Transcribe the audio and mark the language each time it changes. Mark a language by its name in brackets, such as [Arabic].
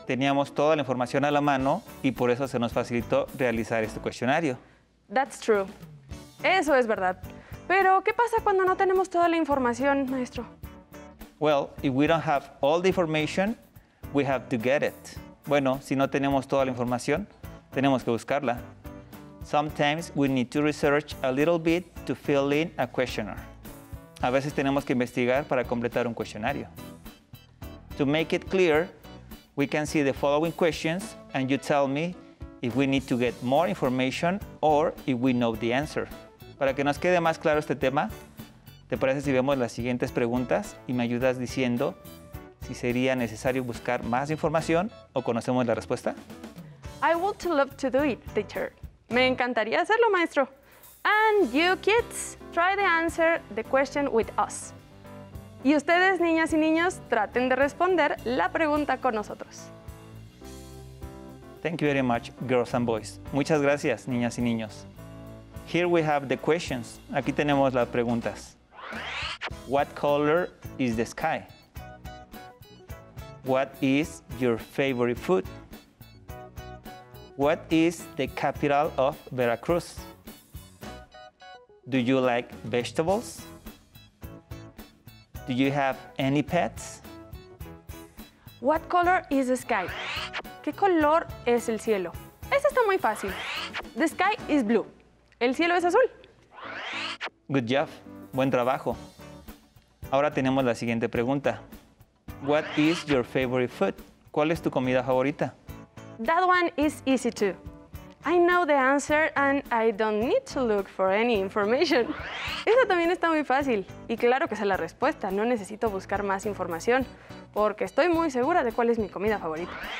[Spanish] Teníamos toda la información a la mano y por eso se nos facilitó realizar este cuestionario. [English] That's true. [Spanish] Eso es verdad. Pero, ¿qué pasa cuando no tenemos toda la información, maestro? [English] Well, if we don't have all the information, we have to get it. [Spanish] Bueno, si no tenemos toda la información, tenemos que buscarla. [English] Sometimes we need to research a little bit to fill in a questionnaire. [Spanish] A veces tenemos que investigar para completar un cuestionario. [English] To make it clear, we can see the following questions and you tell me if we need to get more information or if we know the answer. [Spanish] Para que nos quede más claro este tema, ¿te parece si vemos las siguientes preguntas y me ayudas diciendo si sería necesario buscar más información o conocemos la respuesta? [English] I would love to do it, teacher. [Spanish] Me encantaría hacerlo, maestro. [English] And you kids, try to answer the question with us. [Spanish] Y ustedes, niñas y niños, traten de responder la pregunta con nosotros. [English] Thank you very much, girls and boys. [Spanish] Muchas gracias, niñas y niños. [English] Here we have the questions. [Spanish] Aquí tenemos las preguntas. [English] What color is the sky? What is your favorite food? What is the capital of Veracruz? Do you like vegetables? Do you have any pets? What color is the sky? [Spanish] ¿Qué color es el cielo? Eso está muy fácil. [English] The sky is blue. [Spanish] El cielo es azul. [English] Good job. [Spanish] Buen trabajo. Ahora tenemos la siguiente pregunta. [English] What is your favorite food? [Spanish] ¿Cuál es tu comida favorita? [English] That one is easy too. I know the answer and I don't need to look for any information. [Spanish] Eso también está muy fácil. Y claro que es la respuesta. No necesito buscar más información porque estoy muy segura de cuál es mi comida favorita.